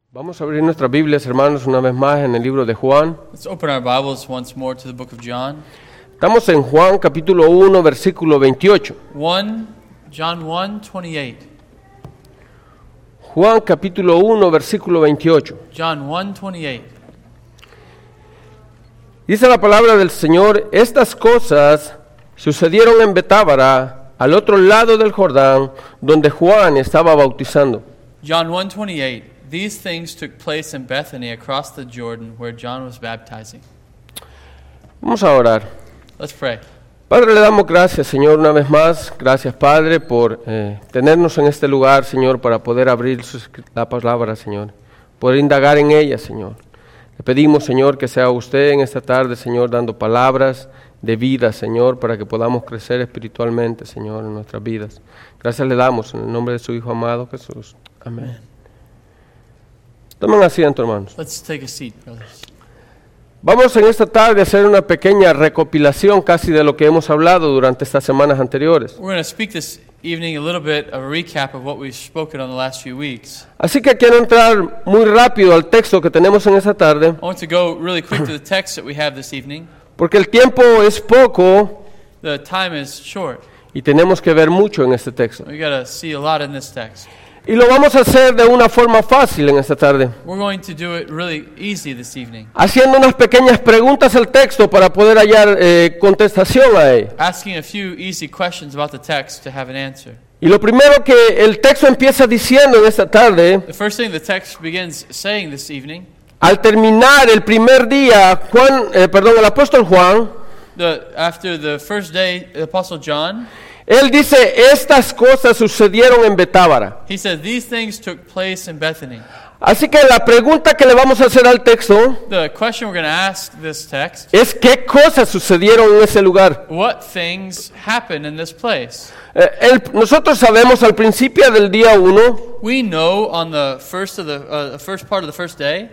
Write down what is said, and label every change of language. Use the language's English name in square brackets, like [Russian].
[Spanish] Vamos a abrir nuestras Biblias, hermanos, una vez más en el libro de Juan. [English] Let's open our Bibles once more to the book of John. [Spanish] Estamos en Juan capítulo 1, versículo 28. [English] John 1, 28. [Spanish] Juan capítulo 1, versículo 28. [English] John 1, 28. [Spanish] Dice la palabra del Señor: estas cosas sucedieron en Betábara, al otro lado del Jordán, donde Juan estaba bautizando. [English] John 1, 28. These things took place in Bethany across the Jordan where John was baptizing. [Spanish] Vamos a orar. [English] Let's pray. [Spanish] Padre, le damos gracias, Señor, una vez más. Gracias, Padre, por tenernos en este lugar, Señor, para poder abrir la palabra, Señor. Poder indagar en ella, Señor. Le pedimos, Señor, que sea usted en esta tarde, Señor, dando palabras de vida, Señor, para que podamos crecer espiritualmente, Señor, en nuestras vidas. Gracias le damos en el nombre de su Hijo amado, Jesús. Amén. Tomen asiento, hermanos. [English] Let's take a seat, brothers. [Spanish] Vamos en esta tarde a hacer una pequeña recopilación casi de lo que hemos hablado durante estas semanas anteriores. [English] We're going to speak this evening a little bit of a recap of what we've spoken on the last few weeks. [Spanish] Así que quiero entrar muy rápido al texto que tenemos en esta tarde. [English] I want to go really quick to the text that we have this evening. [Spanish] Porque el tiempo es poco. [English] The time is short. [Spanish] Y tenemos que ver mucho en este texto. [English] We've got to see a lot in this text. [Spanish] Y lo vamos a hacer de una forma fácil en esta tarde. [English] We're going to do it really easy this evening. [Spanish] Haciendo unas pequeñas preguntas al texto para poder hallar contestación a él. [English] Asking a few easy questions about the text to have an answer. [Spanish] Y lo primero que el texto empieza diciendo en esta tarde. [English] The first thing the text begins saying this evening. [Spanish] Al terminar el primer día, el apóstol Juan. [English] After the first day, the apostle John. [Spanish] Él dice, estas cosas sucedieron en Betábara. [English] He said, these things took place in Bethany. [Spanish] Así que la pregunta que le vamos a hacer al texto. [English] The question we're going to ask this text. [Spanish] Es, ¿qué cosas sucedieron en ese lugar? [English] What things happened in this place? [Spanish] Nosotros sabemos al principio del día uno. [English] We know on the first of the first part of the first day.